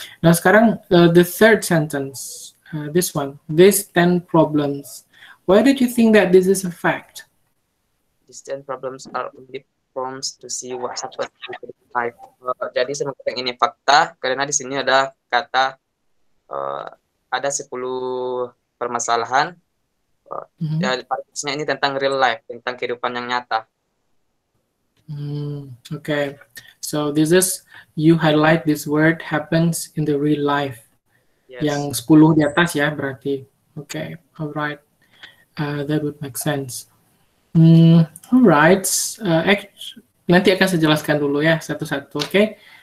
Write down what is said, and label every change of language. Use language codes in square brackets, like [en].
[id] Nah, sekarang [en] the third sentence, this one, these 10 problems. Why did you think that this is a fact? These 10 problems are only problems to see what happens in your life. [id] Jadi saya mengatakan ini fakta, karena di sini ada kata, ada 10 permasalahan. Ya, pastinya ini tentang real life, tentang kehidupan yang nyata. [en] Okay. So this is you highlight this word happens in the real life. Yes. [id] Yang 10 di atas ya berarti. [en] Okay. All right. That would make sense. All right. [id] Nanti akan saya jelaskan dulu ya satu-satu. Okay.